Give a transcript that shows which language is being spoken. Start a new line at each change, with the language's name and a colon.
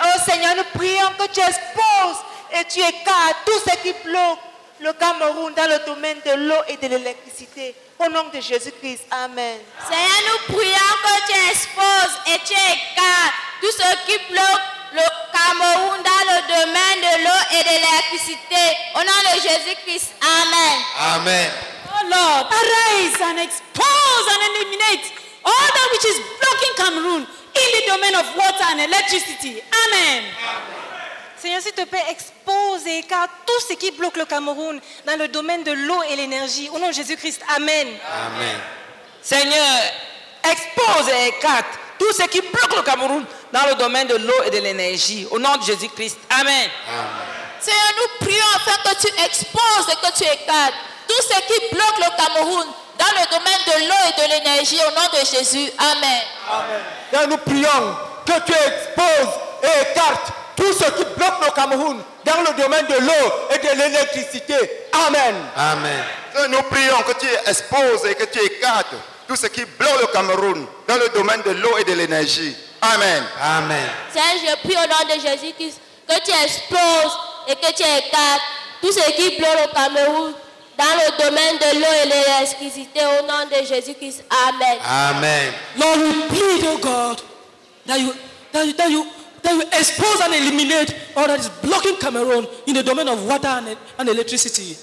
French: Oh Seigneur, nous prions que tu exposes et tu écartes tout ce qui bloque le Cameroun dans le domaine de l'eau et de l'électricité. Au nom de Jésus-Christ, amen. Seigneur, nous prions que tu exposes et tu écartes tout ce qui bloque le Cameroun dans le domaine de l'eau et de l'électricité. Au nom de Jésus-Christ, amen. Amen.
English: Oh Lord, arise and expose and eliminate all that which is blocking Cameroon in the domain of water and electricity.
French: Amen. Amen. Seigneur, s'il te plaît, expose et écarte tout ce qui bloque le Cameroun dans le domaine de l'eau et l'énergie. Au nom de Jésus-Christ, amen. Amen. Seigneur, expose et écarte tout ce qui bloque le Cameroun dans le domaine de l'eau et de l'énergie. Au nom de Jésus-Christ, amen. Amen. Seigneur, nous prions afin que tu exposes et que tu écartes tout ce qui bloque le Cameroun dans le domaine de l'eau et de l'énergie. Au nom de Jésus, amen. Amen. Seigneur, nous prions que tu exposes et écartes tout ce qui bloque le Cameroun dans le domaine de l'eau et de l'électricité. Amen. Amen. Nous prions que tu exposes et que tu écartes tout ce qui bloque le Cameroun dans le domaine de l'eau et de l'énergie. Amen. Amen. Seigneur, je prie au nom de Jésus-Christ que tu exposes et que tu écartes tout ce qui bloque le Cameroun dans le domaine de l'eau et de l'électricité. Au nom de Jésus-Christ. Amen. Amen.
English: Lord, we plead, oh God, that you expose and eliminate all that is blocking Cameroon in the domain of water and electricity.